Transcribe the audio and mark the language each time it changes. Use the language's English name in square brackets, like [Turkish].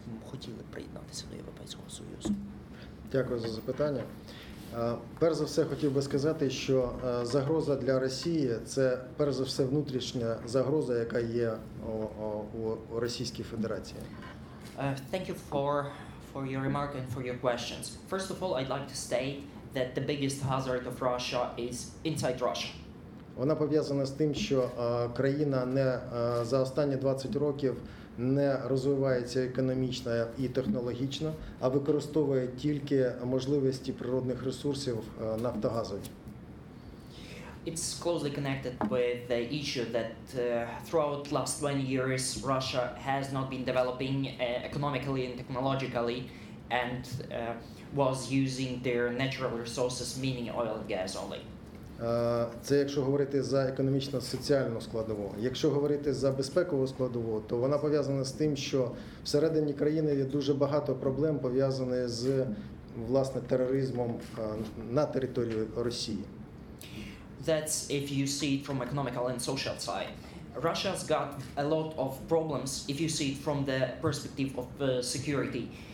[Ukrainian] Хотіли приєднатися до Європейського Союзу. Дякую за запитання. Перш за все, хотів би сказати, що загроза для Росії – це, перш за все, внутрішня загроза, яка є у Російській Федерації. [English] Thank you for your remark and for your questions. First of all, I'd like to state that the biggest hazard of Russia is inside Russia. [Ukrainian] Вона пов'язана з тим, що країна не за останні 20 років не розвивається економічно і технологічно, а використовує тільки можливості природних ресурсів нафтогазові. [English] It's closely connected with the issue that throughout last 20 years Russia has not been developing economically and technologically and was using their natural resources, meaning oil and gas only. [Ukrainian] Це якщо говорити за економічно-соціальну складову. Якщо говорити за безпекову складову, то вона пов'язана з тим, що всередині країни є дуже багато проблем, пов'язаних з власне, тероризмом на території Росії. [English] That's if you see it from economical and social side. Russia's got a lot of problems if you see it from the perspective of security.